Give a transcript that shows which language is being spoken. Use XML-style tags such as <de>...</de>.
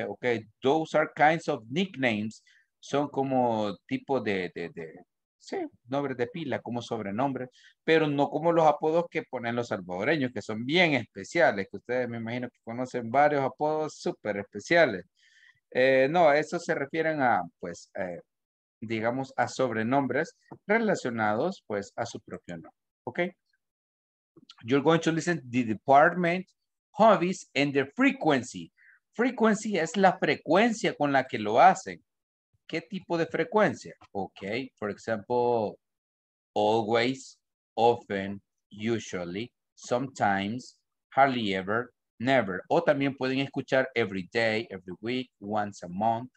<en>Okay, those are kinds of nicknames.</en> <es>Son como tipo de sí, nombre de pila, como sobrenombre, pero no como los apodos que ponen los salvadoreños, que son bien especiales, que ustedes me imagino que conocen varios apodos súper especiales. No, a eso se refieren a, pues, digamos, a sobrenombres relacionados, pues, a su propio nombre. Ok.</es> <en>You're going to listen to the department, hobbies, and the frequency.</en> <es>Frequency es la frecuencia con la que lo hacen. ¿Qué tipo de frecuencia?</es> <en>Ok, for example, always, often, usually, sometimes, hardly ever, never.</en> <es>O también pueden escuchar</es> <en>every day, every week, once a month.</en>